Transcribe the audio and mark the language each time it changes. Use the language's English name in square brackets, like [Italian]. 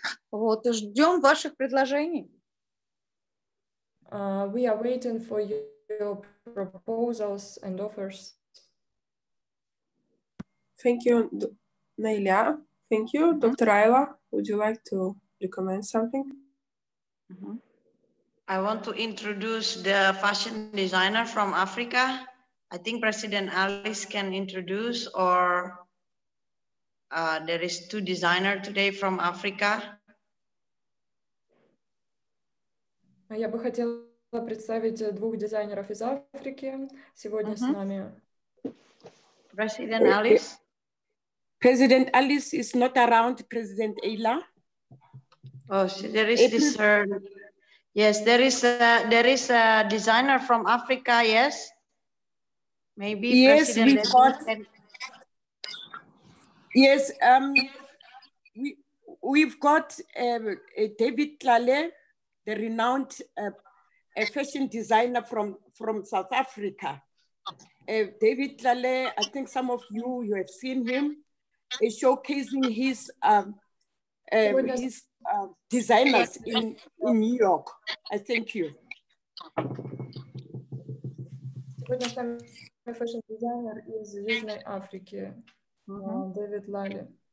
[Russian] Вот, ждем ваших предложений. [English] We are waiting for your proposals and offers. Thank you, Nailia. Thank you, Dr. Ayla. Would you like to recommend something? I want to introduce the fashion designer from Africa. I think President Alice can introduce, or there is two designer today from Africa. [Russian] Я бы хотела представить двух дизайнеров из Африки сегодня с нами. [English] President Alice. President Alice is not around. President Ayla. Oh, there is this her. Yes, there is a designer from Africa. Yes, maybe. Yes, President we thought. Yes, we've got David Tlale, the renowned fashion designer from South Africa. David Tlale, I think some of you have seen him, showcasing his designers in New York. I thank you. [Russian] Сегодня с нами фэшн-дизайнер из Южной Африки, Дэвид Лали.